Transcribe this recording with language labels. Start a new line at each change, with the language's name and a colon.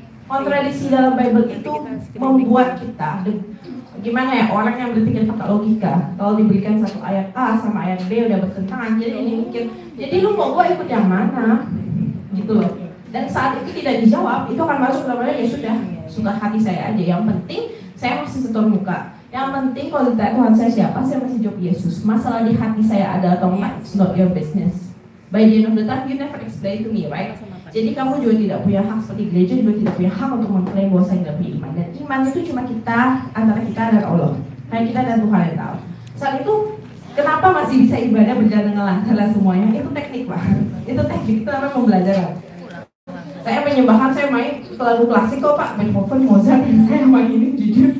Indonesian: Kontradiksi dalam Bible itu membuat kita, gimana ya, orang yang berpikir pakai logika, kalau diberikan satu ayat A sama ayat B udah bertentangan, jadi ini mikir, jadi lu mau gua ikut yang mana? Gitu loh. Dan saat itu tidak dijawab, itu akan masuk kemana-mana, ya sudah, suka hati saya aja. Yang penting, saya masih setor muka. Yang penting kalau ditanya Tuhan saya siapa, saya masih jawab Yesus. Masalah di hati saya adalah tempat,
English: it's not your business. By the end of the time, you never explain to me, right?
Indonesian: Jadi kamu juga tidak punya hak, seperti gereja juga tidak punya hak untuk mengklaim bahwa saya tidak punya iman. Dan iman itu cuma kita, antara kita dan Allah. Hanya kita dan Tuhan yang tahu. Saat itu, kenapa masih bisa ibadah berjalan dengan lancar lah semuanya? Itu teknik, Pak. Itu teknik, itu namanya pembelajaran. Saya penyembahan, saya main ke lagu klasik kok Pak, Beethoven, Mozart, saya main ini jujur.